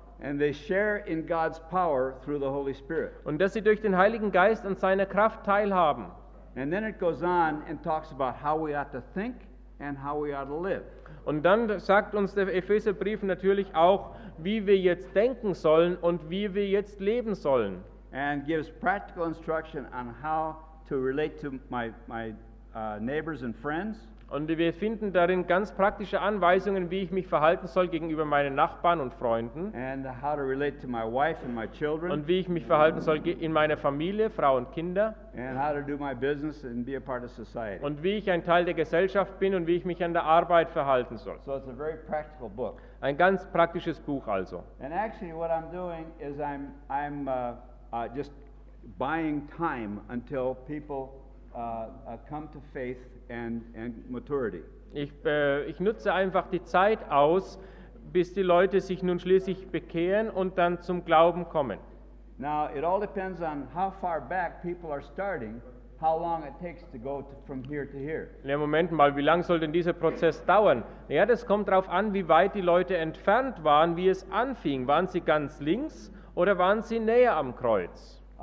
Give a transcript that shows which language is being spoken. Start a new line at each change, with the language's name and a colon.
English: And they share in God's power through the Holy Spirit.
German: Und dass sie durch den Heiligen Geist an seiner Kraft teilhaben.
English: And then it goes on and talks about how we ought to think and how we ought to live.
German: Und dann sagt uns der Epheserbrief natürlich auch, wie wir jetzt denken sollen und wie wir jetzt leben sollen.
English: And gives practical instruction on how to relate to my neighbors and friends.
German: Und wir finden darin ganz praktische Anweisungen, wie ich mich verhalten soll gegenüber meinen Nachbarn und Freunden.
English: And how to relate to my wife and my children.
German: Und wie ich mich verhalten soll in meiner Familie, Frau und Kinder.
English: And how to do my business and be a part of society.
German: Und wie ich ein Teil der Gesellschaft bin und wie ich mich an der Arbeit verhalten soll.
English: So it's a very practical book.
German: Ein ganz praktisches Buch also.
English: And actually what I'm doing is I'm just buying time until people come to faith and maturity.
German: Ich nutze einfach die Zeit aus, bis die Leute sich nun schließlich bekehren und dann zum Glauben kommen.
English: Now it all depends on how far back people are starting, how long it takes to go from here to here.
German: Ja, Moment mal, wie lang soll denn dieser Prozess dauern? Ja, das kommt darauf an, wie weit die Leute entfernt waren, wie es anfing. Waren sie ganz links oder waren sie näher am Kreuz?